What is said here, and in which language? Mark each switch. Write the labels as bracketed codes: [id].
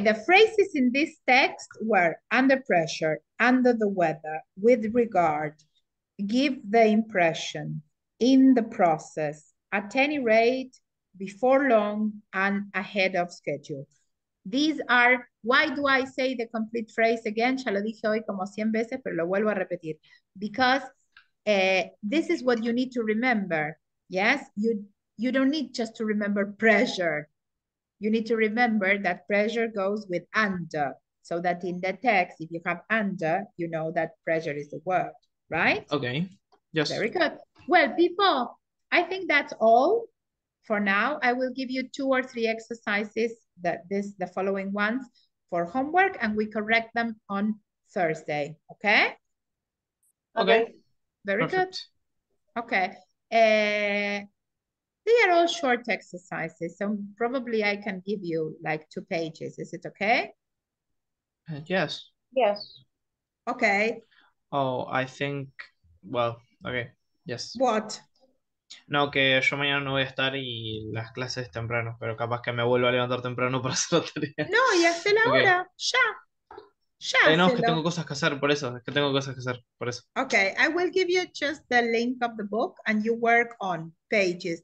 [en] The phrases in this text were under pressure, under the weather, with regard, give the impression, in the process, at any rate, before long and ahead of schedule. These are, why do I say the complete phrase again? [es] Ya lo dije hoy como 100 veces, pero lo vuelvo a repetir. [en] Because this is what you need to remember. Yes, you don't need just to remember pressure. You need to remember that pressure goes with under. So that in the text, if you have under, you know that pressure is the word, right? Okay, yes. Very good. Well, people, I think that's all. For now, I will give you two or three exercises that this the following ones for homework, and we correct them on Thursday. Okay? Okay, Okay. Very good. perfect. Okay. They are all short exercises, so probably I can give you like 2 pages. Is it okay? Yes. Yes. Okay. Oh, I think. Well, okay, yes. What? [es] No, que yo mañana no voy a estar y las clases temprano, pero capaz que me vuelva a levantar temprano para hacer la tarea. No, y hacelo [en] Ok. [es] ahora, ya. Ya No, es que tengo hacelo. cosas que hacer, por eso. Es que tengo cosas que hacer, por eso. [en] Okay, I will give you just the link of the book and you work on pages.